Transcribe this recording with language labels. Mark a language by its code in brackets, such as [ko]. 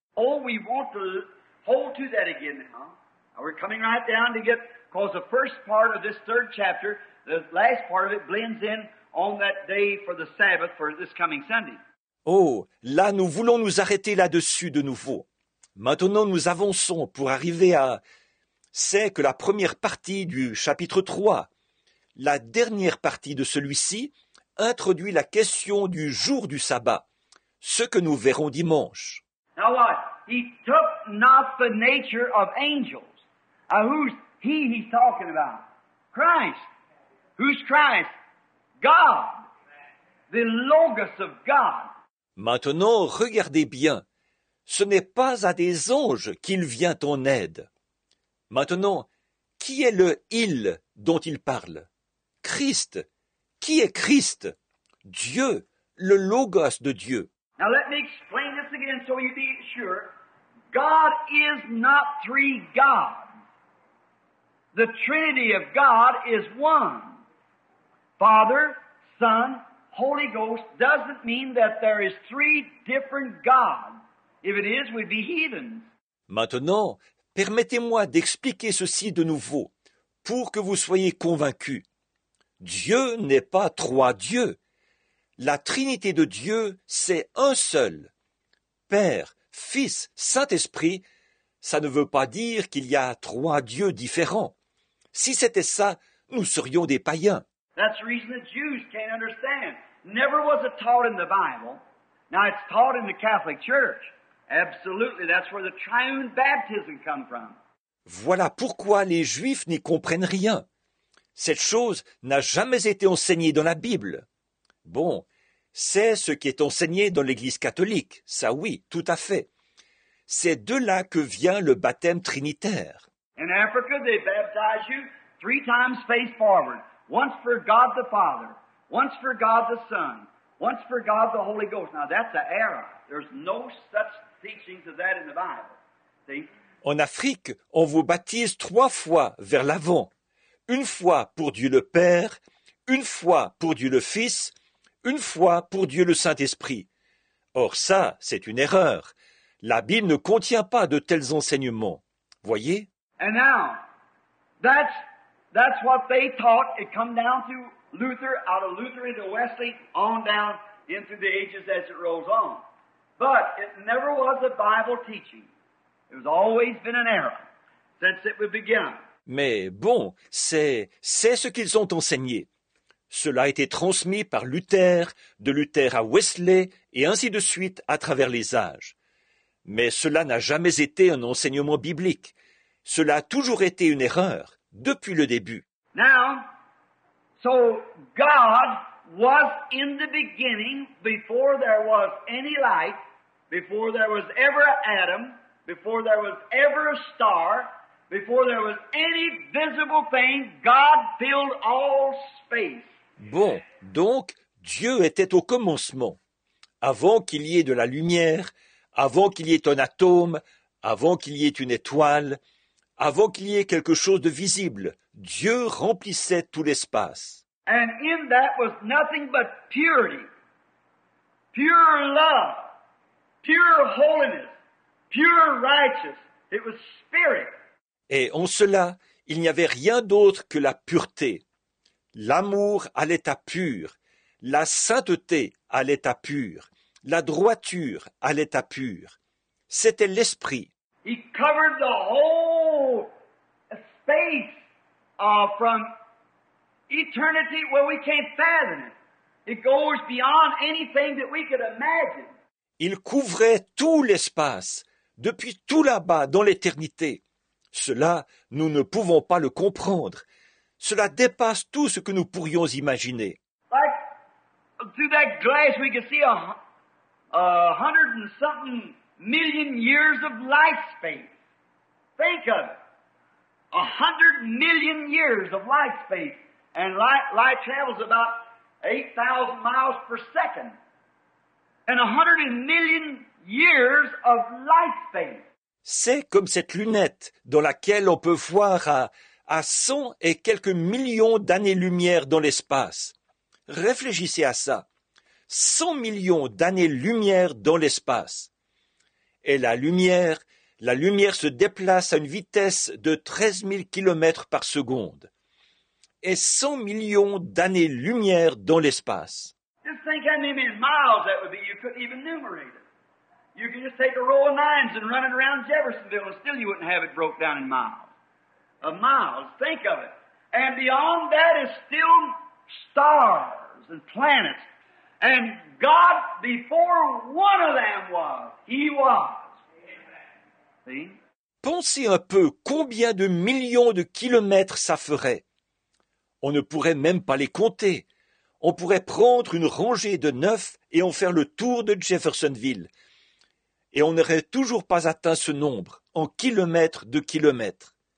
[en] Oh, we want to hold to that again now. We're coming right down to get, because the first part of this third chapter, the last part of it blends in on that day for the Sabbath, for this coming Sunday. [fr] Oh, là, nous voulons nous arrêter là-dessus de nouveau. Maintenant, nous avançons pour arriver à... C'est que la première partie du chapitre 3, la dernière partie de celui-ci, introduit la question du jour du sabbat, ce que nous verrons dimanche. [en] Now what? He took not the nature of angels. Who's he he's talking about? Christ. Who's Christ? God. The Logos of God. [fr] Maintenant, regardez bien. Ce n'est pas à des anges qu'il vient en aide. Maintenant, qui est le « il » dont il parle? Christ. Qui est Christ? Dieu, le Logos de Dieu. [en] Now let me explain this again so you be sure. God is not three gods. The Trinity of God is one. Father, Son, Holy Ghost doesn't mean that there is three different gods. If it is, we'd be heathens. [fr] Maintenant, permettez-moi d'expliquer ceci de nouveau, pour que vous soyez convaincus. Dieu n'est pas trois dieux. La Trinité de Dieu, c'est un seul. Père, Fils, Saint-Esprit, ça ne veut pas dire qu'il y a trois dieux différents. Si c'était ça, nous serions des païens. [en] That's the reason the Jews can't understand. Never was it taught in the Bible. Now it's taught in the Catholic Church. Absolutely, that's where the triune baptism come from. [fr] Voilà pourquoi les Juifs n'y comprennent rien. Cette chose n'a jamais été enseignée dans la Bible. Bon, c'est ce qui est enseigné dans l'Église catholique, ça oui, tout à fait. C'est de là que vient le baptême trinitaire. [en] In Africa, they baptize you three times face forward, once for God the Father, once for God the Son, once for God the Holy Ghost. Now that's an error. There's no such teaching to that in the Bible. See? [fr] En Afrique, on vous baptise trois fois vers l'avant. Une fois pour Dieu le Père, une fois pour Dieu le Fils, une fois pour Dieu le Saint-Esprit. Or ça, c'est une erreur. La Bible ne contient pas de tels enseignements. Voyez? [en] And now, that's what they taught. It come down to Luther, out of Luther into Wesley, on down into the ages as it rolls on. But it never was a Bible teaching. It has always been an error since it would begin. [fr] Mais bon, c'est ce qu'ils ont enseigné. Cela a été transmis par Luther, de Luther à Wesley, et ainsi de suite à travers les âges. Mais cela n'a jamais été un enseignement biblique. Cela a toujours été une erreur, depuis le début. [en] Now, so God was in the beginning, before there was any light, before there was ever Adam, before there was ever a star, before there was any visible thing, God filled all space. [fr] Bon, donc, Dieu était au commencement. Avant qu'il y ait de la lumière, avant qu'il y ait un atome, avant qu'il y ait une étoile, avant qu'il y ait quelque chose de visible, Dieu remplissait tout l'espace. [en] And in that was nothing but purity, pure love, pure holiness, pure righteousness. It was spirit. [fr] Et en cela, il n'y avait rien d'autre que la pureté. L'amour à l'état pur, la sainteté à l'état pur, la droiture à l'état pur. C'était l'esprit. [en] He covered the whole space from eternity where we can't fathom it. It goes beyond anything that we could imagine. [fr] Il couvrait tout l'espace, depuis tout là-bas dans l'éternité. Cela, nous ne pouvons pas le comprendre. Cela dépasse tout ce que nous pourrions imaginer. [en] Like, through that glass, we can see a hundred and something million years of life span. Think of it. 100 million years of life span. And light travels about 8,000 miles per second. And 100 million years of life span. [fr] C'est comme cette lunette dans laquelle on peut voir à 100 et quelques millions d'années-lumière dans l'espace. Réfléchissez à ça. 100 millions d'années-lumière dans l'espace. Et la lumière se déplace à une vitesse de 13 000 km par seconde. Et 100 millions d'années-lumière dans l'espace. [en] Just think how many miles that would be. You couldn't even numerate it. You can just take a row of nines and run it around Jeffersonville and still you wouldn't have it broke down in miles. Of miles, think of it. And beyond that is still stars. suns and planets. And God, before one of them was, he was. See? [fr] Pensez un peu combien de millions de kilomètres ça ferait. On ne pourrait même pas les compter. On pourrait prendre une rangée de 9 et en faire le tour de Jeffersonville. Et on n'aurait toujours pas atteint ce nombre en kilomètres de kilomètres.